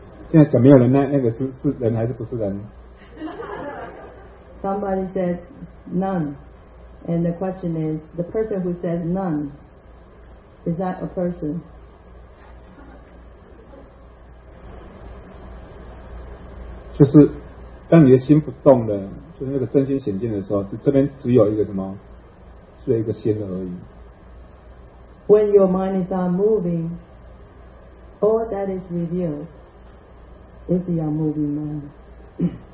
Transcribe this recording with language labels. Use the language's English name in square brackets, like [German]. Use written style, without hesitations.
[Chinese] 现在讲没有人，那个 是人还是不是人？ [English] Somebody says none. And the question is, the person who says none, is that a person? [Chinese] 就是当你的心不动的，就是那个身心显现的时候，这边只有一个什么，是一个心而已。 [English] When your mind is unmoving, all that is revealed is the unmoving mind.